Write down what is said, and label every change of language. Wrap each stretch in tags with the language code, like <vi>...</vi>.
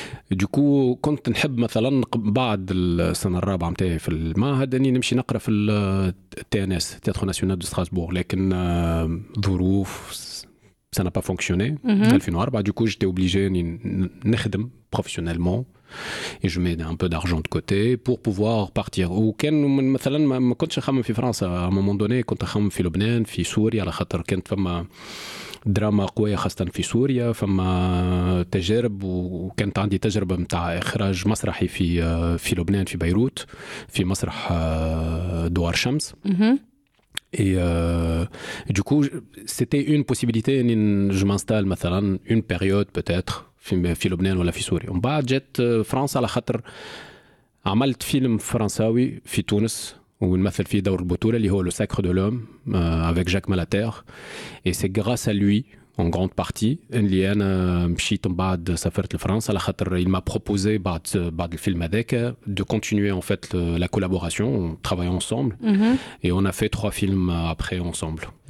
<ar>دوكو كنت نحب مثلا بعد السنة الرابعة متاعي في المعهد أني نمشي نقرأ في التي إن إس، تياترو ناسيونال دو ستراسبورغ، لكن ظروف</ar> <fr>سا نا با فونكسيوني</fr> <ar>2004. دوكو جيتي أوبليجي أني نخدم بروفيسيونيلمون</ar> <fr>et je mets un peu d'argent de côté pour pouvoir partir. Ou quand</fr> <ar>مثلا ما كنتش خامم في فرنسا،</ar> <fr>à un moment donné</fr> <ar>كنت خامم في لبنان في سوريا، على خاطر كنت فما دراما قوية خاصة في سوريا، فما تجارب، وكانت عندي تجربة متاع إخراج مسرحي في لبنان في بيروت في مسرح دوار شمس.</ar> <fr>Et du coup c'était une possibilité que je m'installe مثلا une période peut-être</fr> <ar>في لبنان ولا في سوريا. ومن بعد جت فرنسا، على خاطر عملت فيلم فرنساوي في تونس ونمثل فيه دور البطولة اللي هو لو ساكر دو لوم</ar> <fr>avec Jacques Malater، et c'est grâce à lui en grande partie</fr> <ar>اللي انا مشيت من بعد سافرت لفرنسا، على خاطر</ar> <fr>il m'a proposé</fr> <ar>بعد الفيلم هذاك</ar> <fr>de continuer en fait la collaboration, travailler ensemble et on a fait trois films après ensemble.</fr>